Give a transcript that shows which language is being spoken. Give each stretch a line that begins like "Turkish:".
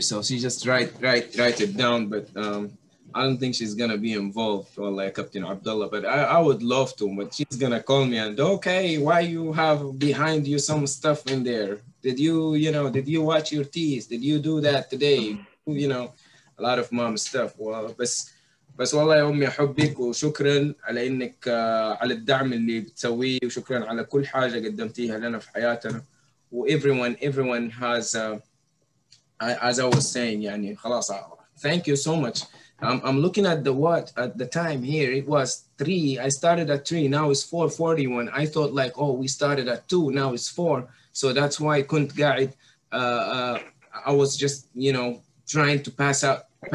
English: So she just write it down, but. I don't think she's gonna be involved or like Captain Abdullah, but I would love to, but she's gonna call me and okay, why you have behind you some stuff in there? Did you, you know, did you watch your teeth? Did you do that today? You know, a lot of mom stuff.
Arabic: Well, بس والله يا أمي أحبك وشكرا على إنك على الدعم اللي بتسويه وشكرا على كل حاجة قدمتيها لنا في حياتنا.
English: Everyone has, as I was saying,
Arabic: يعني خلاص,
English: thank you so much. I'm looking at the what at the time here. It was 3. I started at 3. Now it's 4:41. I thought like, oh, we started at 2. Now it's 4. So that's why I couldn't guide. I was just, you know, trying to pass out.